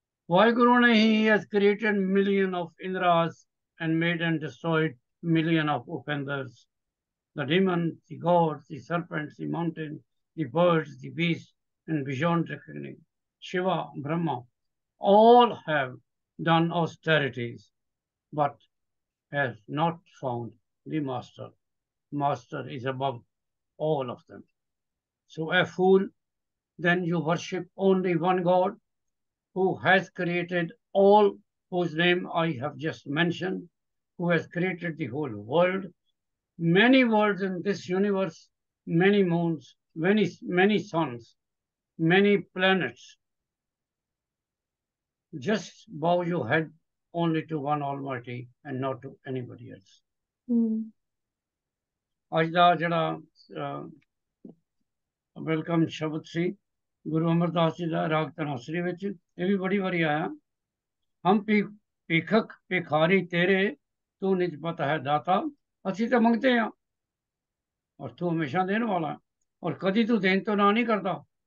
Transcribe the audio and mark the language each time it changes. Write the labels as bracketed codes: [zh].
[en] ਵਾਹਿਗੁਰੂ ਨੇ he has created million of Indras and made and destroyed million of Upendras, the demon, the god, the serpent, the mountain, the birds, the beast and beyond recognise, Shiva, Brahma, all have done austerities but has not found the master. Master is above all of them. So a fool, then you worship only one God who has created all whose name I have just mentioned, who has created the whole world, many worlds in this universe, many moons, many suns, many planets. Just bow your head only to one Almighty and not to anybody else. [pa] ਅੱਜ ਦਾ ਜਿਹੜਾ welcome ਸ਼ਬਦ ਸੀ ਗੁਰੂ ਅਮਰਦਾਸ ਜੀ ਦਾ ਰਾਗ ਧਨਾਸਰੀ ਵਿੱਚ, ਇਹ ਵੀ ਬੜੀ ਵਾਰੀ ਆਇਆ, ਹਮ ਭੀਖਕ ਭਿਖਾਰੀ ਤੇਰੇ ਤੂੰ ਨਿਜ ਪਤ ਹੈ ਦਾਤਾ, ਅਸੀਂ ਤਾਂ ਮੰਗਦੇ ਹਾਂ ਔਰ ਤੂੰ ਹਮੇਸ਼ਾ ਦੇਣ ਵਾਲਾ ਔਰ ਕਦੀ ਤੂੰ ਦੇਣ ਤੋਂ ਨਾ ਨਹੀਂ ਕਰਦਾ,